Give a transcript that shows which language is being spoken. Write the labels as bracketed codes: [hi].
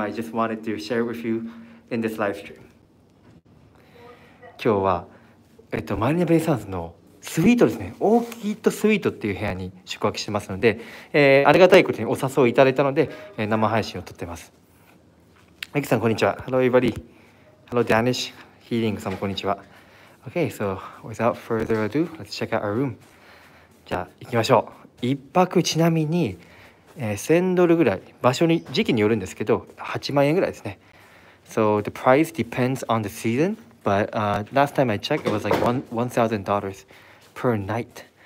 [en] I just wanted to share with you in this live stream. [ja] 今日は、マリナベイサンズのスイートですね。オーキッドスイートっていう部屋に宿泊してますので、ありがたいことにお誘いいただいたので、生配信を撮ってます。エキさん、こんにちは。 [en] Hello, everybody. Hello, [ja] Danish Healing さんもこんにちは。 [en] Okay, so without further ado, let's check out our room. [ja] じゃあ、行きましょう。一泊ちなみに、1000ドルぐらい、場所に時期によるんですけど8万円ぐらいですね。 [en] So the price depends on the season, but last time I checked it was like $1,000 per night.